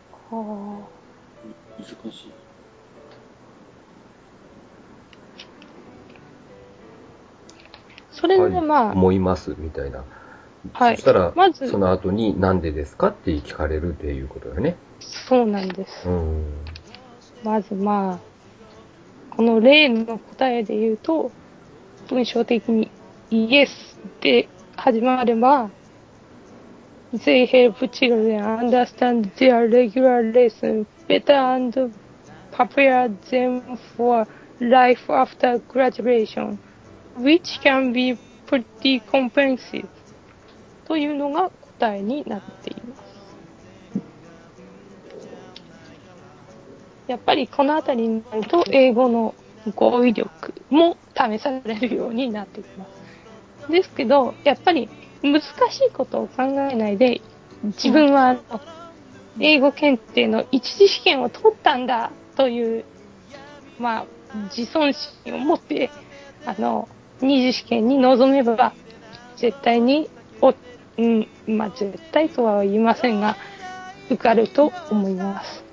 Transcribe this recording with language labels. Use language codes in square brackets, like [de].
[ja] はあ、難しい。それで、まあ、思いますみたいな、はい、そしたら、まず、その後に何でですかって聞かれるっていうことだね。そうなんです、うん、まずまあこの例の答えで言うと文章的にイエスで始まれば [en] They help children understand their regular lesson better and prepare them for life after graduation, which can be pretty comprehensive. [ja] というのが答えになっています。やっぱりこのあたりになると英語の語彙力も試されるようになってきます。ですけど、やっぱり難しいことを考えないで、自分は英語検定の一次試験を取ったんだという、まあ、自尊心を持って、二次試験に臨めば、絶対に、まあ、絶対とは言いませんが、受かると思います。